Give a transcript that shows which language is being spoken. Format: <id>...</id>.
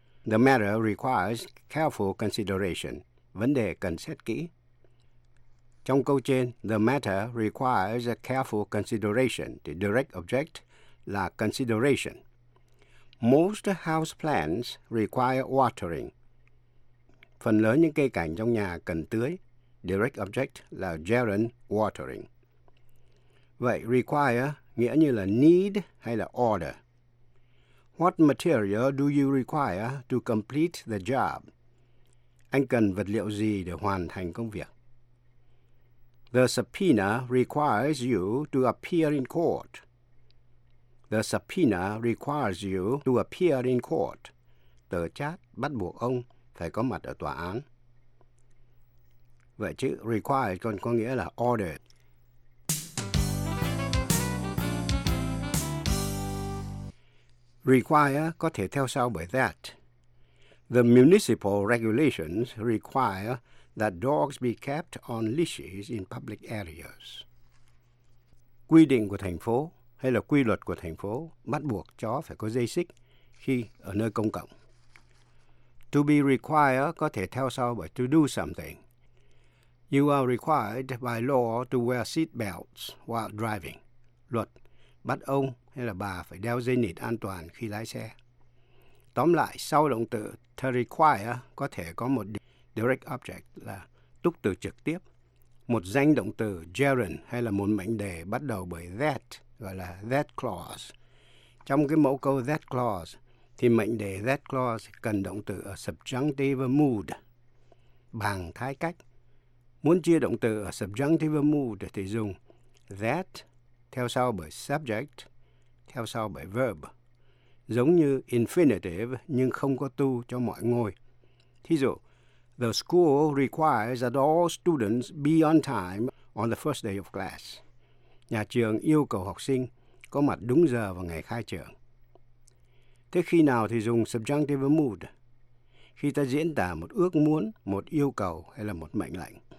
<en>The matter requires careful consideration.</en> <vi>Vấn đề cần xét kỹ. Trong câu trên,</vi> <en>the matter requires a careful consideration. The direct object là consideration. Most house plants require watering.</en> <vi>Phần lớn những cây cảnh trong nhà cần tưới. Direct object là gerund watering. Vậy require nghĩa như là need hay là order.</vi> <en>What material do you require to complete the job?</en> <vi>Anh cần vật liệu gì để hoàn thành công việc?</vi> <en>The subpoena requires you to appear in court. The subpoena requires you to appear in court.</en> <vi>Tờ chát bắt buộc ông phải có mặt ở tòa án. Vậy chữ require còn có nghĩa là ordered. Require có thể theo sau bởi that.</vi> <en>The municipal regulations require that dogs be kept on leashes in public areas.</en> <vi>Quy định của thành phố hay là quy luật của thành phố bắt buộc chó phải có dây xích khi ở nơi công cộng. To be required có thể theo sau bởi to do something.</vi> <en>You are required by law to wear seat belts while driving.</en> <vi>Luật bắt ông hay là bà phải đeo dây nịt an toàn khi lái xe. Tóm lại, sau động từ to require có thể có một direct object là túc từ trực tiếp, một danh động từ gerund hay là một mệnh đề bắt đầu bởi that, gọi là that clause. Trong cái mẫu câu that clause thì mệnh đề that clause cần động từ ở subjunctive mood bằng thái cách. Muốn chia động từ ở subjunctive mood thì dùng that theo sau bởi subject theo sau bởi verb, giống như infinitive nhưng không có to cho mọi ngôi. Thí dụ,</vi> <en>the school requires that all students be on time on the first day of class.</en> <vi>Nhà trường yêu cầu học sinh có mặt đúng giờ vào ngày khai trường. Thế khi nào thì dùng subjunctive mood? Khi ta diễn tả một ước muốn, một yêu cầu hay là một mệnh lệnh.</vi>